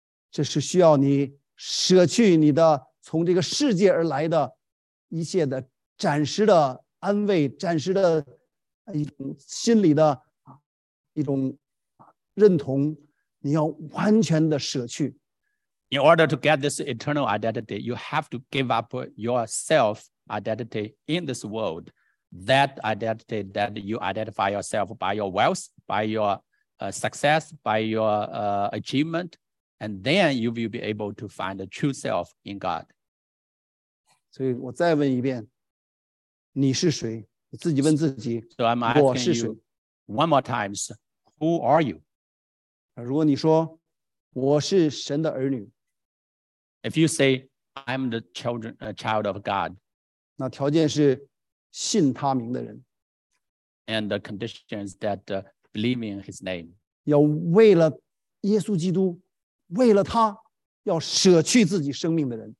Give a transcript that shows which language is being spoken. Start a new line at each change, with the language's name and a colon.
Chinese: 这是需要你舍去你的从这个世界而来的一切的暂时的安慰暂时的一种心理的一种认同。你要完全的舍去。
English: In order to get this eternal identity, you have to give up your self identity in this world. that identity that you identify yourself by your wealth, by your success, by your achievement, and then you will be able to find the true self in God.
Chinese: 所以我再问一遍, 你是谁? 你自己问自己,
English: so I'm asking
Chinese: 我是谁?
English: You one more time, who are you?
Chinese: 如果你说, 我是神的儿女,
English: if you say, I'm the children, child of God,
Chinese: 那条件是信他名的人,
English: and the condition is that believe in his name.
Chinese: 要为了耶稣基督, 为了他, 要舍去自己生命的人,